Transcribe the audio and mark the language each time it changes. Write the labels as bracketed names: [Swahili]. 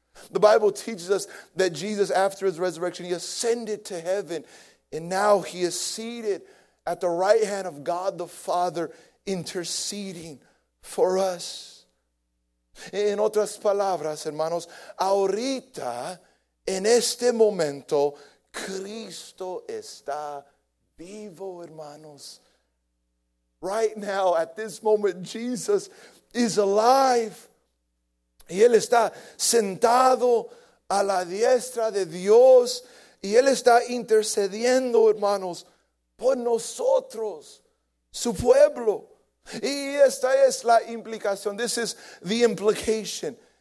[English] The Bible teaches us that Jesus, after His resurrection, He ascended to heaven, and now He is seated at the right hand of God the Father, interceding for us. [Spanish] En otras palabras, hermanos, ahorita, en este momento, Cristo está vivo, hermanos. [English] Right now, at this moment, Jesus is alive. [Spanish] Y Él está sentado a la diestra de Dios. Y Él está intercediendo, hermanos, por nosotros, su pueblo. Y esta es la implicación. [English] This is the implication.